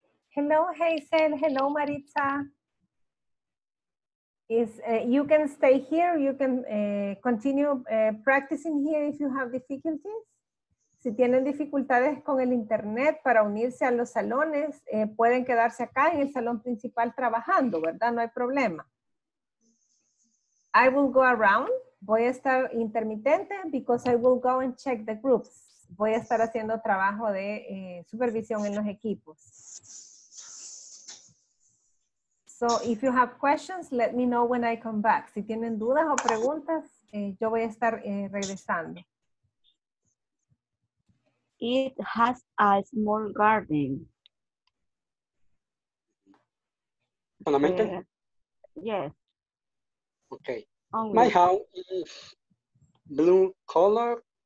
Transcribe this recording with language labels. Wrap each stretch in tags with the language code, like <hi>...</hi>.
<en>Hello, Hazel. Hello, Maritza. You can stay here. You can continue practicing here if you have difficulties.</en> <es>Si tienen dificultades con el internet para unirse a los salones, pueden quedarse acá en el salón principal trabajando, ¿verdad? No hay problema.</es> <en>I will go around.</en> <es>Voy a estar intermitente</es> <en>because I will go and check the groups.</en> <es>Voy a estar haciendo trabajo de supervisión en los equipos.</es> <en>So if you have questions, let me know when I come back.</en> <es>Si tienen dudas o preguntas, yo voy a estar regresando.</es> <en>It has a small garden.</en> <es>¿Solamente?</es> <en>Yes. Okay. Only. My house is blue color.</en>